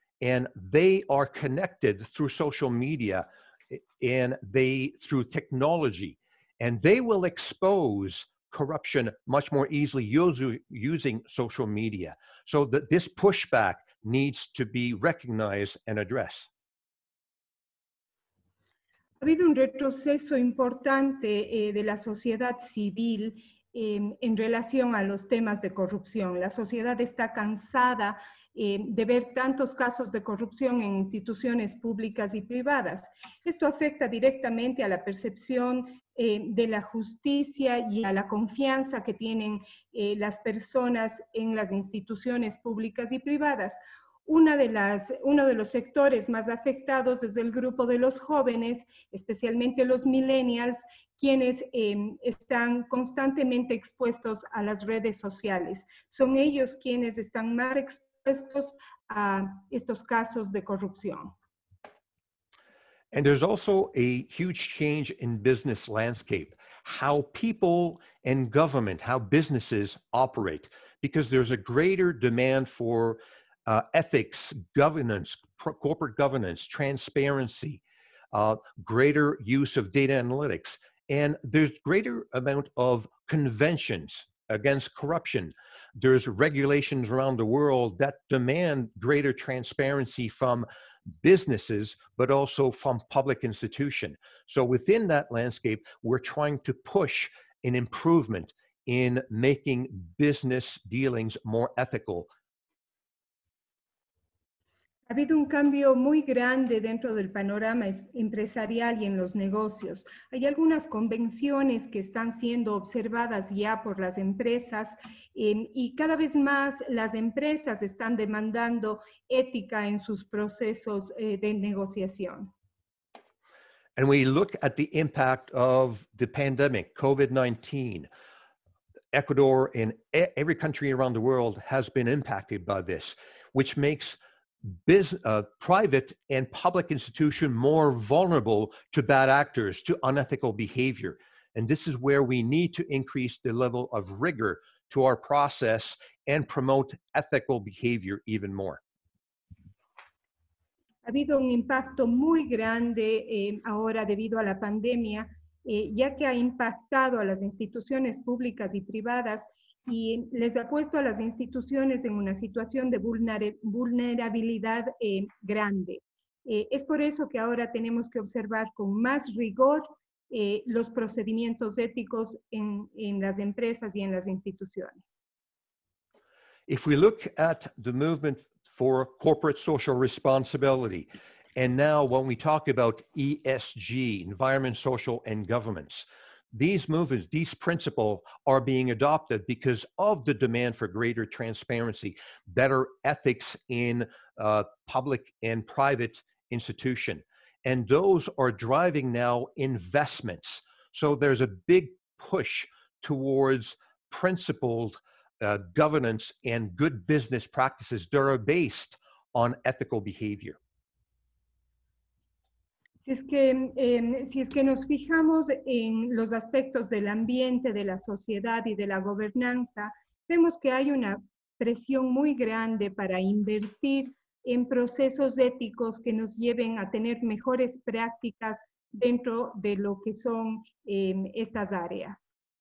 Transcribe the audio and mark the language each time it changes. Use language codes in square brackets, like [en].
[en] And they are connected through social media and they through technology. And they will expose corruption much more easily using social media. So that this pushback needs to be recognized and addressed. [es] Ha habido un retroceso importante de la sociedad civil en relación a los temas de corrupción. La sociedad está cansada de ver tantos casos de corrupción en instituciones públicas y privadas. Esto afecta directamente a la percepción de la justicia y a la confianza que tienen las personas en las instituciones públicas y privadas. Uno de los sectores más afectados es el grupo de los jóvenes, especialmente los millennials, quienes están constantemente expuestos a las redes sociales. Son ellos quienes están más expuestos a estos casos de corrupción. [en] And there's also a huge change in business landscape, how people and government, how businesses operate, because there's a greater demand for ethics, governance, corporate governance, transparency, greater use of data analytics, and there's greater amount of conventions against corruption. There's regulations around the world that demand greater transparency from businesses, but also from public institutions. So within that landscape, we're trying to push an improvement in making business dealings more ethical. [es] Ha habido un cambio muy grande dentro del panorama empresarial y en los negocios. Hay algunas convenciones que están siendo observadas ya por las empresas y cada vez más las empresas están demandando ética en sus procesos de negociación. [en] And we look at the impact of the pandemic, COVID-19. Ecuador and every country around the world has been impacted by this, which makes private and public institution more vulnerable to bad actors, to unethical behavior. And this is where we need to increase the level of rigor to our process and promote ethical behavior even more. [es] Ha habido un impacto muy grande ahora debido a la pandemia, ya que ha impactado a las instituciones públicas y privadas y les ha puesto a las instituciones en una situación de vulnerabilidad grande. Es por eso que ahora tenemos que observar con más rigor los procedimientos éticos en las empresas y en las instituciones. [en] If we look at the movement for corporate social responsibility, and now when we talk about ESG, environment, social, and governance, these movements, these principles are being adopted because of the demand for greater transparency, better ethics in public and private institution. And those are driving now investments. So there's a big push towards principled governance and good business practices that are based on ethical behavior. [es] Si es que nos fijamos en los aspectos del ambiente, de la sociedad y de la gobernanza, vemos que hay una presión muy grande para invertir en procesos éticos que nos lleven a tener mejores prácticas dentro de lo que son estas áreas.